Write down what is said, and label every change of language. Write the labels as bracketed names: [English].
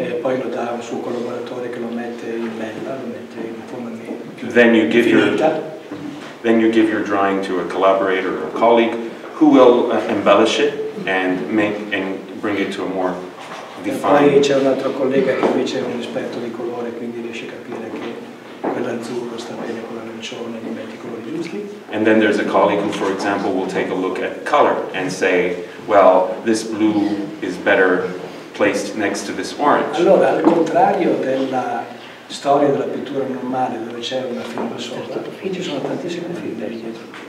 [Italian] E poi lo dà a un suo collaboratore che lo mette in bella, lo mette in forma di [English] Then you give your drawing to a collaborator or a colleague. Who will embellish it and make and bring it to a more defined. [Italian] E poi c'è un altro collega che invece è un esperto di colore, quindi riesce a capire che quell'azzurro sta bene con l'arancione, gli metti i colori giusti. [English] And then there's a colleague who, for example, will take a look at color and say, well, this blue is better placed next to this orange. [Italian] Allora, al contrario della storia della pittura normale dove c'è una firma sola, qui ci sono tantissime firme dietro.